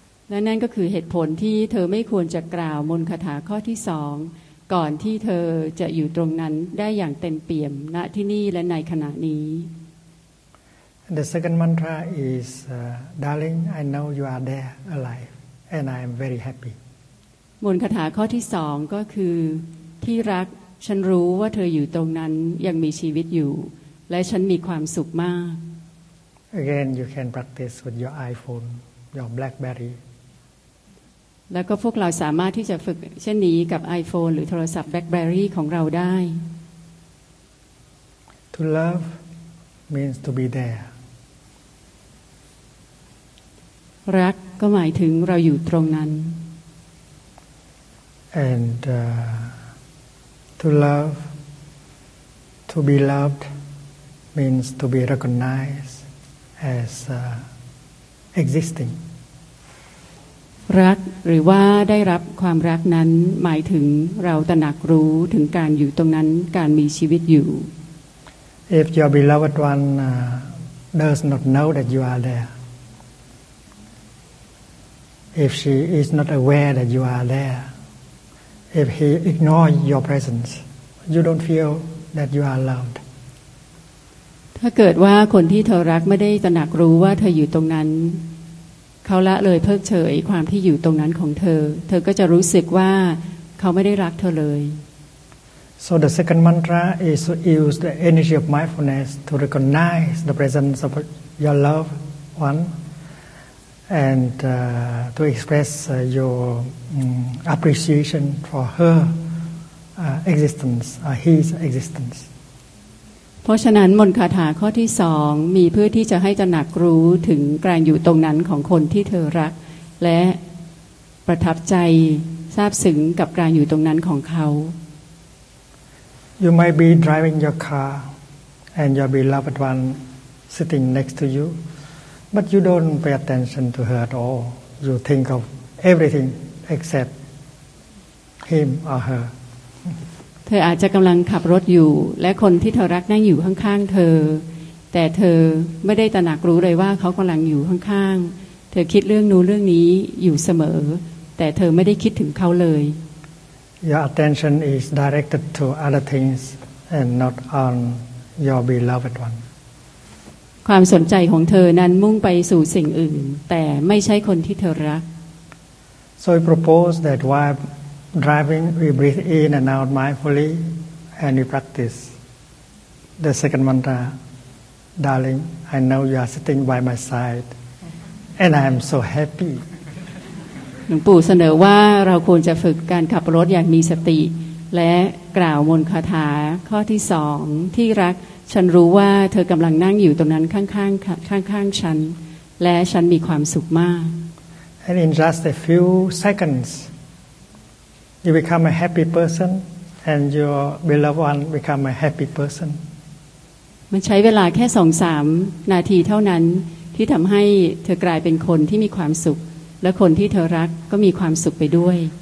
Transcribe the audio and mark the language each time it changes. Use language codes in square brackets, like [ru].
[th] และนั่นก็คือเหตุผลที่เธอไม่ควรจะกล่าวมนต์คาถาข้อที่สองก่อนที่เธอจะอยู่ตรงนั้นได้อย่างเต็มเปี่ยมณที่นี่และในขณะนี้ [en] The second mantra is, darling, I know you are there alive, and I am very happy. [th] มนต์คาถาข้อที่สองก็คือที่รักฉันรู้ว่าเธออยู่ตรงนั้นยังมีชีวิตอยู่และฉันมีความสุขมาก [en] Again you can practice with your iPhone your BlackBerry [th] แล้วก็พวกเราสามารถที่จะฝึกเช่นนี้กับ iPhone หรือโทรศัพท์ BlackBerry ของเราได้ [en] To love means to be there [th] รักก็หมายถึงเราอยู่ตรงนั้น [en] And to love, to be loved, means to be recognized as existing. [th] รักหรือว่าได้รับความรักนั้นหมายถึงเราตระหนักรู้ถึงการอยู่ตรงนั้นการมีชีวิตอยู่ [en] If your beloved one does not know that you are there, if she is not aware that you are there,If he ignores your presence, you don't feel that you are loved. [th] ถ้าเกิดว่าคนที่เธอรักไม่ได้ตระหนักรู้ว่าเธออยู่ตรงนั้นเขาละเลยเพิกเฉยความที่อยู่ตรงนั้นของเธอเธอก็จะรู้สึกว่าเขาไม่ได้รักเธอเลย [en] So the second mantra is to use the energy of mindfulness to recognize the presence of your loved one and to express yourappreciation for her existence, his existence. [th] เพราะฉะนั้นมนต์คาถาข้อที่2มีเพื่อที่จะให้ตระหนักรู้ถึงการอยู่ตรงนั้นของคนที่เธอรักและประทับใจซาบซึ้งกับการอยู่ตรงนั้นของเขา [en] You might be driving your car and your beloved one sitting next to you but you don't pay attention to her at all you think of everything except him or her [th] เธออาจจะกำลังขับรถอยู่และคนที่เธอรักนั่งอยู่ข้างๆเธอแต่เธอไม่ได้ตระหนักรู้เลยว่าเขากำลังอยู่ข้างๆเธอคิดเรื่องนู้นเรื่องนี้อยู่เสมอแต่เธอไม่ได้คิดถึงเขาเลย [en] Your attention is directed to other things and not on your beloved one [th] ความสนใจของเธอนั้นมุ่งไปสู่สิ่งอื่นแต่ไม่ใช่คนที่เธอรัก [en] So I propose that whileDriving, we breathe in and out mindfully, and we practice the second mantra. Darling, I know you are sitting by my side, and I am so happy. [th] หลวงปู่เสนอว่าเราควรจะฝึกการขับรถอย่างมีสติและกล่าวมนต์คาถาข้อที่สองที่รักฉันรู้ว่าเธอกำลังนั่งอยู่ตรงนั้นข้างฉันและฉันมีความสุขมาก [en] And in just a few secondsYou become a happy person, and your beloved one become a happy person. [th] มันใช้เวลาแค่สองสามนาทีเท่านั้นที่ทำให้เธอกลายเป็นคนที่มีความสุขและคนที่เธอรักก็มีความสุขไปด้วย